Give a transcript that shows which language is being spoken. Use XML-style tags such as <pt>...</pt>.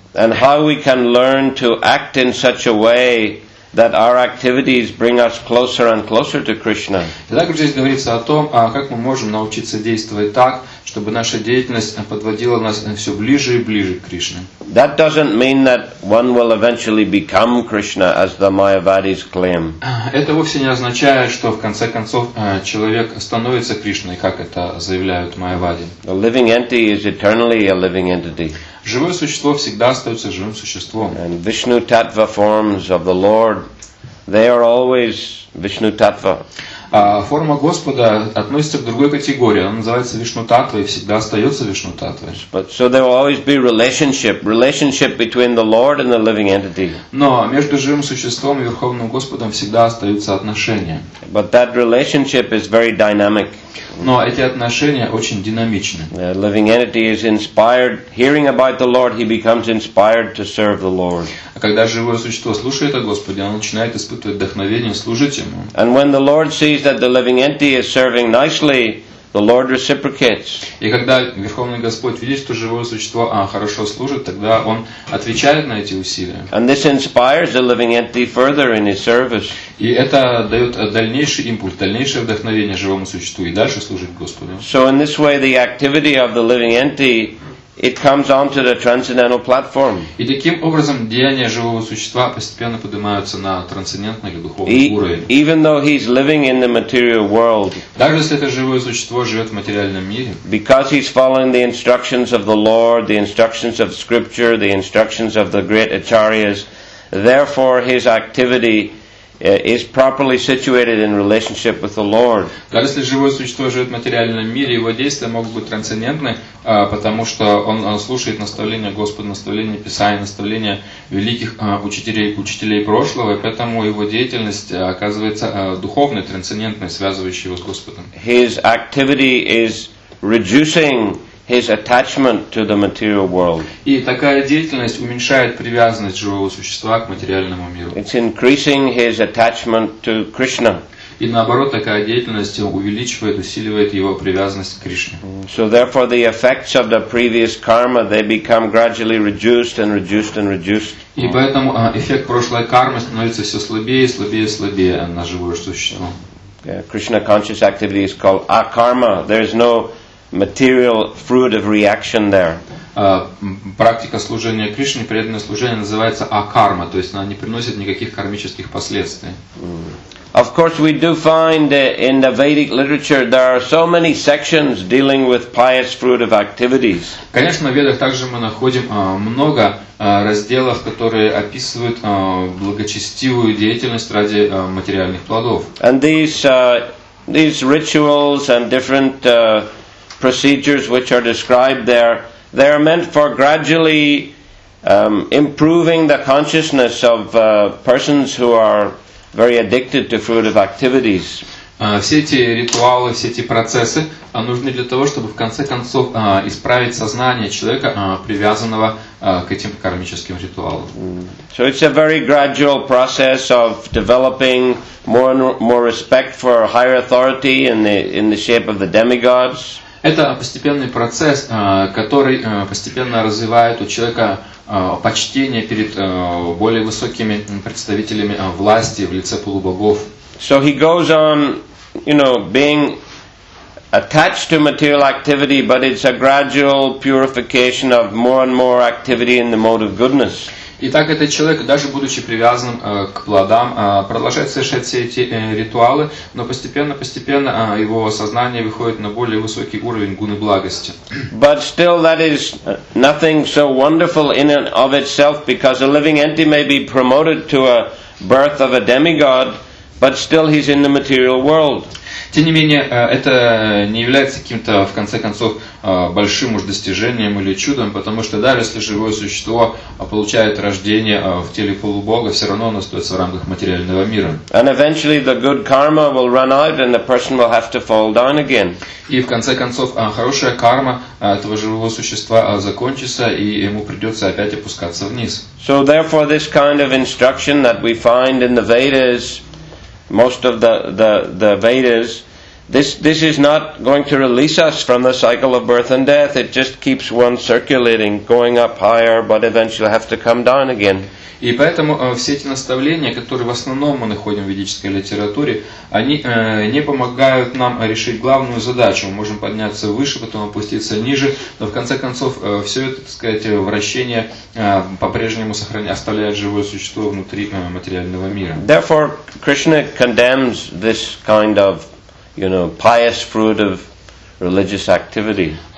<en>And how we can learn to act in such a way that our activities bring us closer and closer to Krishna.</en> <ru>Итак, здесь говорится о том, как мы можем научиться действовать так, чтобы наша деятельность подводила нас все ближе и ближе к Кришне.</ru> <en>That doesn't mean that one will eventually become Krishna, as the Mayavadis claim.</en> <ru>Это вовсе не означает, что в конце концов человек становится Кришной, как это заявляют Майявади.</ru> <en>A living entity is eternally a living entity.</en> <ru>Живое существо всегда остается живым существом.</ru> <en>And Vishnu Tattva forms of the Lord, they are always Vishnu Tattva.</en> <ru>Форма Господа относится к другой категории. Она называется Вишну-таттва и всегда остается Вишну-таттвой.</ru> <en>But so there will always be relationship between the Lord and the living entity.</en> <ru>Но между живым существом и Верховным Господом всегда остаются отношения.</ru> <en>But that relationship is very dynamic.</en> <ru>Но эти отношения очень динамичны.</ru> <en>The living entity is inspired, hearing about the Lord, he becomes inspired to serve the Lord.</en> <ru>Когда живое существо слушает о Господе, оно начинает испытывать вдохновение служить ему.</ru> <en>And when the Lord sees that the living entity is serving nicely, the Lord reciprocates.</en> <ru>И когда Верховный Господь видит, что живое существо хорошо служит, тогда он отвечает на эти усилия.</ru> <en>And this inspires the living entity further in his service.</en> <ru>И это дает дальнейший импульс, дальнейшее вдохновение живому существу и дальше служить Господу.</ru> <en>So in this way the activity of the living entity, it comes onto the transcendental platform.</en> <ru>И таким образом деяния живого существа постепенно поднимаются на трансцендентный или духовный уровень.</ru> <en>Even though he's living in the material world,</en> <ru>даже если это живое существо живет в материальном мире,</ru> <en>because he's following the instructions of the Lord, the instructions of Scripture, the instructions of the great acharyas, therefore his activity is properly situated in relationship with the Lord.</en> <ru>Даже если живое существо живет в материальном мире, его действия могут быть трансцендентны, потому что он слушает наставления Господа, наставления Писания, наставления великих учителей прошлого, и поэтому его деятельность оказывается духовной, трансцендентной, связывающей его с Господом.</ru> <en>His activity is reducing his attachment to the material world.</en> <ru>И такая деятельность уменьшает привязанность живого существа к материальному миру.</ru> <en>It's increasing his attachment to Krishna.</en> <ru>И наоборот, такая деятельность увеличивает, усиливает его привязанность к Кришне.</ru> <en>So therefore the effects of the previous karma, they become gradually reduced and reduced and reduced.</en> <ru>И поэтому эффект прошлой кармы становится все слабее и слабее и слабее на живое существо.</ru> <en>Krishna conscious activity is called akarma. There is no material fruit of reaction there.</en> <ru>Практика служения Кришне, преданное служение называется акарма, то есть она не приносит никаких кармических последствий.</ru> <en>Of course, we do find in the Vedic literature there are so many sections dealing with pious fruit of activities.</en> <ru>Конечно, в Ведах также мы находим много разделов, которые описывают благочестивую деятельность ради материальных плодов.</ru> <en>And these rituals and different procedures which are described there, they are meant for gradually improving the consciousness of persons who are very addicted to fruitive activities.</en> <ru>Все эти ритуалы, все эти процессы нужны для того, чтобы в конце концов исправить сознание человека, привязанного к этим кармическим ритуалам.</ru> <en>So it's a very gradual process of developing more respect for higher authority in the shape of the demigods.</en> <ru>Это постепенный процесс, который постепенно развивает у человека почтение перед более высокими представителями власти в лице полубогов.</ru> <en>So he goes on, you know, being attached to material activity, but it's a gradual purification of more and more activity in the mode of goodness.</en> <ru>Итак, этот человек, даже будучи привязанным к плодам, продолжает совершать все эти ритуалы, но постепенно его сознание выходит на более высокий уровень гуны благости.</ru> <en>But still that is nothing so wonderful in and of itself, because a living entity may be promoted to a birth of a demigod, but still he's in the material world.</en> <ru>Тем не менее, это не является каким-то, в конце концов, большим уж достижением или чудом, потому что даже если живое существо получает рождение в теле полубога, все равно оно остается в рамках материального мира.</ru> <en>And eventually the good karma will run out and the person will have to fall down again.</en> <ru>И в конце концов, хорошая карма этого живого существа закончится, и ему придется опять опускаться вниз.</ru> <en>So therefore this kind of instruction that we find in the Vedas, most of the Vedas, this is not going to release us from the cycle of birth and death. It just keeps one circulating, going up higher, but eventually have to come down again.</en> <ru>И поэтому все эти наставления, которые в основном мы находим в ведической литературе, они не помогают нам решить главную задачу. Мы можем подняться выше, потом опуститься ниже, но в конце концов все это, так сказать, вращение по-прежнему оставляет живое существо внутри материального мира.</ru> <en>Therefore, Krishna condemns this kind of, you know, pious fruit of religious activity.</en>